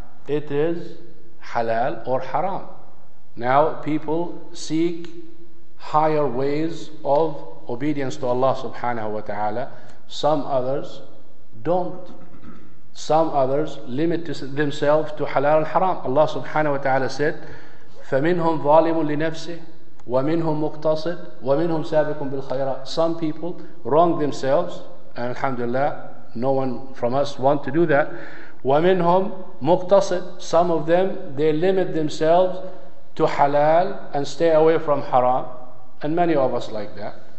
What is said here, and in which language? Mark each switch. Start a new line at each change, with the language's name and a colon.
English: It is halal or haram. Now people seek higher ways of obedience to Allah subhanahu wa ta'ala. Some others don't. Some others limit themselves to halal and haram.
Arabic: Allah subhanahu wa ta'ala
English: said,
Arabic: فَمِنْهُمْ ظَالِمٌ لِنَفْسِهِ وَمِنْهُمْ مُقْتَصِدْ وَمِنْهُمْ سَابِقٌ بِالْخَيْرَةِ.
English: Some people wrong themselves, and alhamdulillah, no one from us want to do that.
Arabic: وَمِنْهُمْ مُقْتَصِدْ.
English: Some of them, they limit themselves to halal and stay away from haram, and many of us like that.